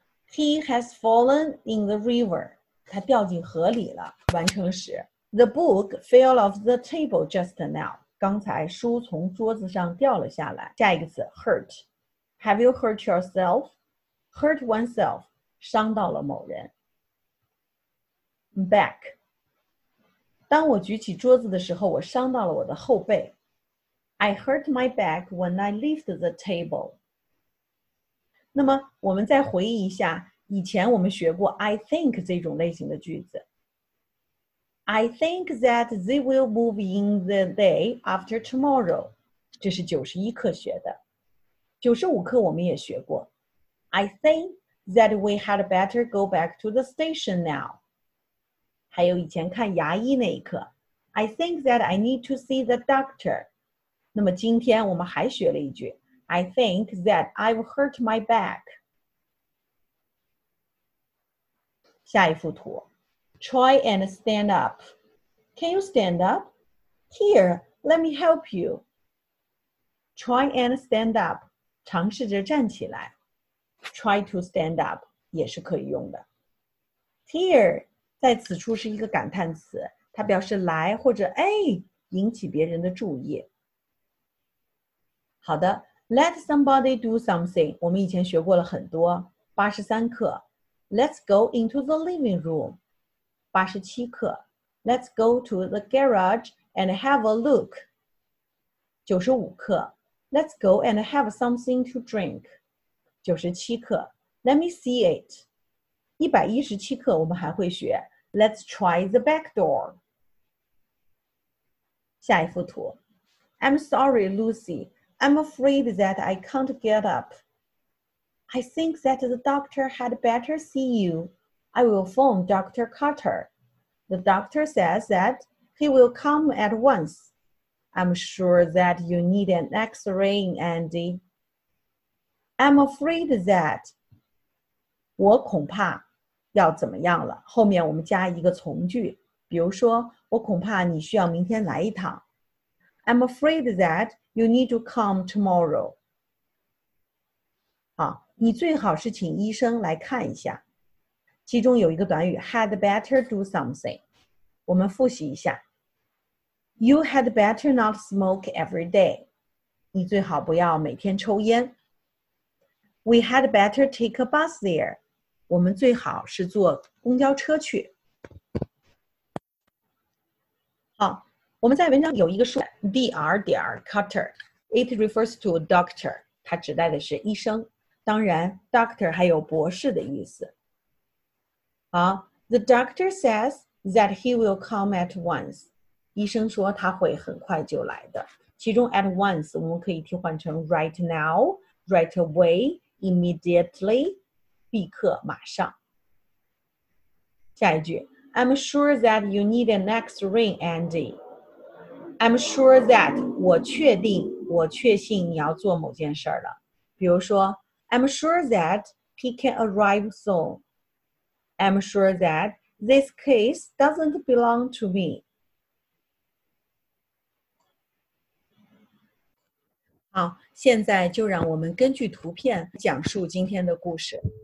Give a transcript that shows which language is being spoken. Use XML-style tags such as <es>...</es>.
<en>He has fallen in the river。</en> <zh>他掉进河里了完成时</zh> <en>The book fell off the table just now</en> <zh>刚才书从桌子上掉了下来下一个词</zh> <en>hurt Have you hurt yourself? Hurt oneself</en> <zh>伤到了某人</zh> <en>Back</en> <zh>当我举起桌子的时候，我伤到了我的后背。</zh> <en>I hurt my back when I lift the table.</en> <zh>那么我们再回忆一下，以前我们学过</zh> <en>I think</en> <zh>这种类型的句子。</zh> <en>I think that they will move in the day after tomorrow.</en> <zh>这是91课学的。95课我们也学过。</zh> <en>I think that we had better go back to the station now.</en> <zh>还有以前看牙医那一课。</zh> <en>I think that I need to see the doctor.</en> <zh>那么今天我们还学了一句。</zh> <en>I think that I've hurt my back.</en> <zh>下一幅图。</zh> <en>Try and stand up. Can you stand up? Here, let me help you. Try and stand up.</en> <zh>尝试着站起来。</zh> <en>Try to stand up</en> <zh>也是可以用的。</zh> <en>Here</en> <zh>在此处是一个感叹词，它表示来或者哎，引起别人的注意。</zh> <en>好的 ，Let somebody do something。</en> <zh>我们以前学过了很多，83课。</zh> <en>Let's go into the living room。</en> <zh>87课。</zh> <en>Let's go to the garage and have a look。</en> <zh>95课。</zh> <en>Let's go and have something to drink。</en> <zh>97课</zh> <en>Let me see it.</en> <zh>117课我们还会学</zh> <en>Let's try the back door.</en> <zh>下一幅图</zh> <en>I'm sorry, Lucy. I'm afraid that I can't get up. I think that the doctor had better see you. I will phone Dr. Carter. The doctor says that he will come at once. I'm sure that you need an X-ray, Andy. I'm afraid that</en> <zh>我恐怕要怎么样了，后面我们加一个从句，比如说我恐怕你需要明天来一趟。</zh> <en>I'm afraid that you need to come tomorrow.</en> <zh>好，你最好是请医生来看一下。其中有一个短语</zh> <en>had better do something，</en> <zh>我们复习一下。</zh> <en>You had better not smoke every day.</en> <zh>你最好不要每天抽烟。</zh> <en>We had better take a bus there.</en> <zh>我们最好是坐公交车去。好，我们在文章有一个说 Dr.</zh> <en>Carter. It refers to a doctor.</en> <zh>它指代的是医生。当然 ,doctor 还有博士的意思。</zh> <en>好 ,the doctor says that he will come at once.</en> <zh>医生说他会很快就来的。其中 at once 我们可以替换成</zh> <en>right now, right away,Immediately,</en> <zh>立刻马上。下一句</zh> <en>I'm sure that you need an X-ray, Andy. I'm sure that,</en> <zh>我确定，我确信你要做某件事了。比如说</zh> <en>I'm sure that he can arrive soon. I'm sure that this case doesn't belong to me.</en> <zh>好。现在就让我们根据图片讲述今天的故事。</zh>